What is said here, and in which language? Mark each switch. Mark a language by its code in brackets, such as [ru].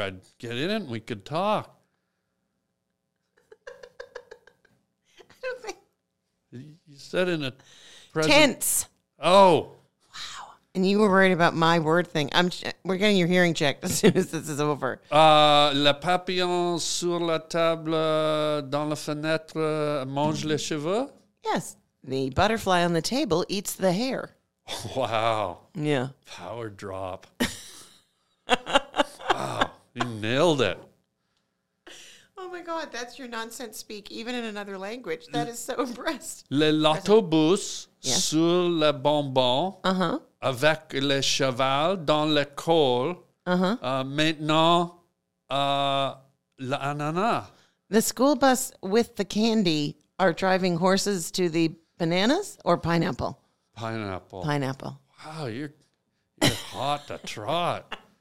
[en] I'd get in it, and we could talk. You said in a tense. Oh. Wow. And you were worried about my word thing. We're getting your hearing checked as soon as this is over. [fr] Le papillon sur la table dans la fenêtre mange les cheveux? [en] Yes. The butterfly on the table eats the hair. Wow. Yeah. Power drop. Wow. You nailed it. Oh, my God, that's your nonsense speak, even in another language. That is so impressed. [fr] Le l'autobus sur le bonbon avec le cheval dans l'école. Maintenant, l'ananas. [en] The school bus with the candy are driving horses to the bananas or pineapple? Pineapple. Pineapple. Wow, you're hot to trot.